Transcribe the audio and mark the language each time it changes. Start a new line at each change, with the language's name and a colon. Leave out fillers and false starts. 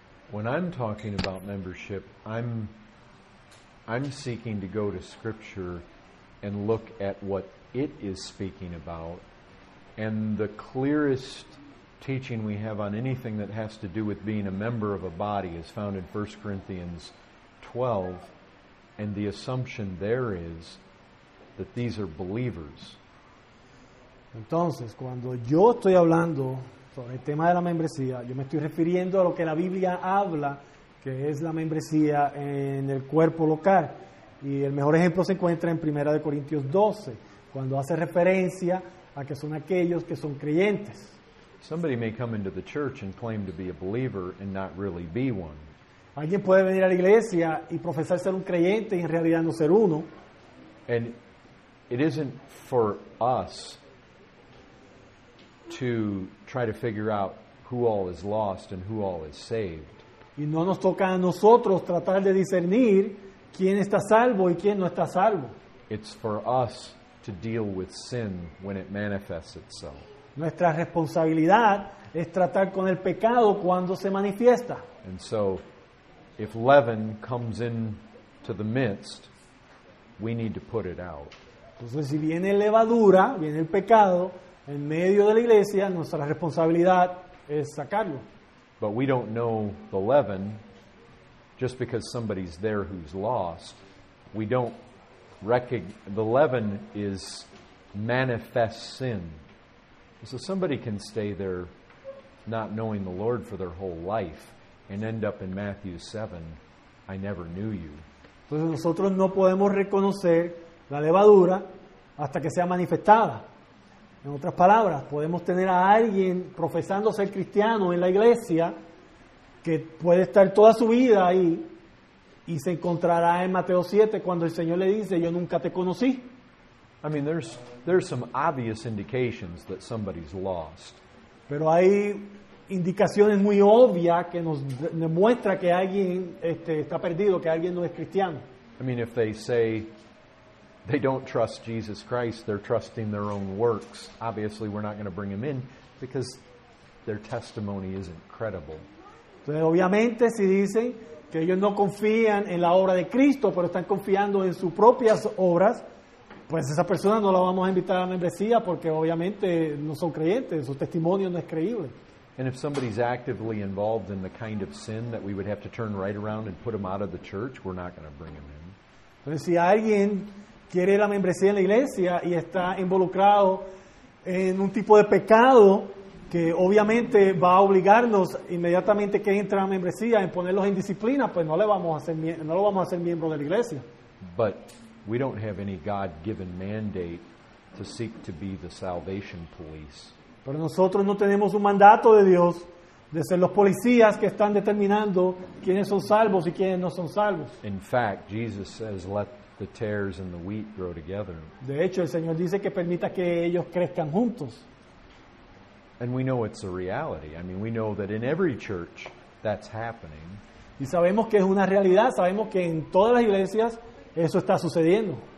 English: When I'm talking about membership, I'm seeking to go to Scripture and look at what it is speaking about. And the clearest teaching we have on anything that has to do with being a member of a body is found in 1 Corinthians 12. And the assumption there is that these are believers.
Spanish: Entonces, cuando yo estoy hablando sobre el tema de la membresía, yo me estoy refiriendo a lo que la Biblia habla, que es la membresía en el cuerpo local. Y el mejor ejemplo se encuentra en 1 Corintios 12, cuando hace referencia a que son aquellos que son creyentes.
English: Somebody may come into the church and claim to be a believer and not really be one.
Spanish: Alguien puede venir a la iglesia y profesar ser un creyente y en realidad no ser uno.
English: And it isn't for us to try to figure out who all is lost and who all is saved.
Spanish: Y no nos toca a nosotros tratar de discernir quién está salvo y quién no está salvo.
English: It's for us to deal with sin when it manifests itself.
Spanish: Nuestra responsabilidad es tratar con el pecado cuando se manifiesta.
English: And so, if leaven comes into the midst, we need to put it out.
Spanish: Entonces, si viene levadura, viene el pecado, en medio de la iglesia, nuestra responsabilidad es sacarlo.
English: But we don't know the leaven just because somebody's there who's lost. We don't the leaven is manifest sin. So somebody can stay there not knowing the Lord for their whole life and end up in Matthew 7, I never knew you.
Spanish: Entonces nosotros no podemos reconocer la levadura hasta que sea manifestada. En otras palabras, podemos tener a alguien profesando ser cristiano en la iglesia que puede estar toda su vida ahí y se encontrará en Mateo 7 cuando el Señor le dice, yo nunca te conocí.
English: I mean, there's some obvious indications that somebody's lost.
Spanish: Pero hay indicaciones muy obvias que nos demuestra que alguien está perdido, que alguien no es cristiano.
English: I mean, if they say they don't trust Jesus Christ, they're trusting their own works. Obviously, we're not going to bring them in because their testimony isn't credible.
Spanish: Entonces, obviamente, si dicen que ellos no confían en la obra de Cristo, pero están confiando en sus propias obras, pues esa persona no la vamos a invitar a la membresía porque obviamente no son creyentes, su testimonio no es creíble.
English: And if somebody's actively involved in the kind of sin that we would have to turn right around and put them out of the church, we're not going to bring them in.
Spanish: Entonces, si alguien quiere la membresía en la iglesia y está involucrado en un tipo de pecado que obviamente va a obligarnos inmediatamente que entra a membresía en ponerlos en disciplina, pues no le vamos a hacer miembro de la iglesia.
English: But we don't have any God-given mandate to seek to be the salvation police.
Spanish: Pero nosotros no tenemos un mandato de Dios de ser los policías que están determinando quiénes son salvos y quiénes no son salvos.
English: In fact, Jesus says, the tares and the wheat grow together.
Spanish: De hecho, el Señor dice que permita que ellos crezcan juntos.
English: And we know it's a reality. I mean, we know that in every church that's happening.
Spanish: Y sabemos que es una realidad, sabemos que en todas las iglesias eso está sucediendo.